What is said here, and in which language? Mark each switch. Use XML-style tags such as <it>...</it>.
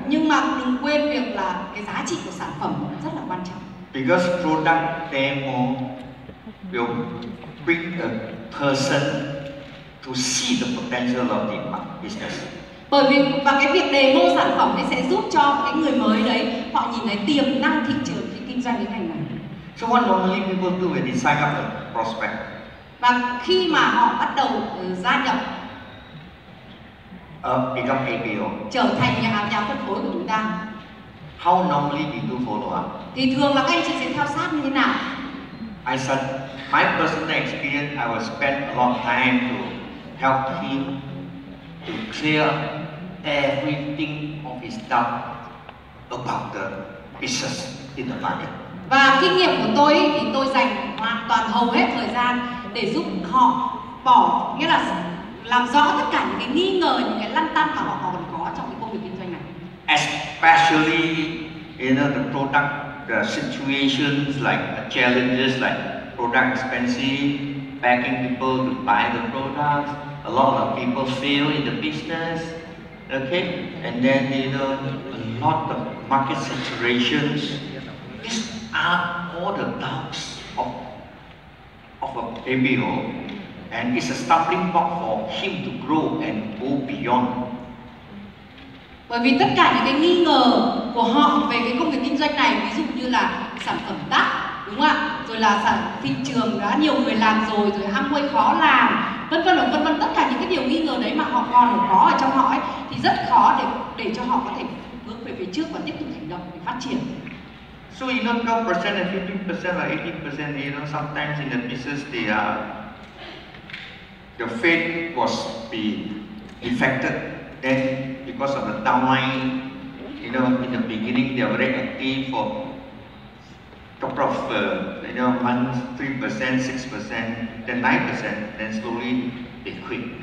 <vi>Nhưng mà đừng quên việc là cái giá trị của sản phẩm rất là quan trọng.</vi> <en>Because product demo will bring a person to see the potential of the business.</en> <vi>Bởi vì và cái việc demo sản phẩm ấy sẽ giúp cho cái người mới đấy họ nhìn thấy tiềm năng thị trường khi kinh doanh cái ngành này.</vi> <en>So what normally people do when they sign up a prospect?</en> <vi>Và khi mà họ bắt đầu gia nhập</vi> <en>become ABO,</en> <vi>trở thành nhà phân phối của chúng ta,</vi> <en>how normally we do follow up?</en> <vi>Thì thường là các anh chị sẽ theo sát như thế nào?</vi> <en>I said my personal experience, I will spend a lot of time to help him to clear everything of his doubt about the business in the market.</en> <vi>Và kinh nghiệm của tôi thì tôi dành hoàn toàn hầu hết thời gian để giúp họ bỏ, nghĩa là làm rõ tất cả những cái nghi ngờ, những cái lăn tăn mà họ còn có trong cái công việc kinh doanh này.</vi> <en>Especially in, you know, the product, the situations like the challenges like product expensive, begging people to buy the products. A lot of people fail in the business, okay? And then, you know, a lot of market saturations. These are all the doubts of a MBO. And it's a stumbling block for him to grow and go beyond.</en> <vi>Bởi vì tất cả những cái nghi ngờ của họ về cái công việc kinh doanh này, ví dụ như là sản phẩm đắt, đúng không ạ? Rồi là sản thị trường đã nhiều người làm rồi Amway khó làm, vân vân và vân vân, tất cả những cái điều nghi ngờ đấy mà họ còn có ở trong họ ấy, thì rất khó để cho họ có thể bước về phía trước và tiếp tục hành động để phát triển.</vi> <en>So you know, 12% and 15% or 18%, you know, sometimes in the business the faith was be affected then because of the downline. You know, in the beginning they were very active for couple of you know, months, 3%, 6%, then 9%, then slowly they quit.</en>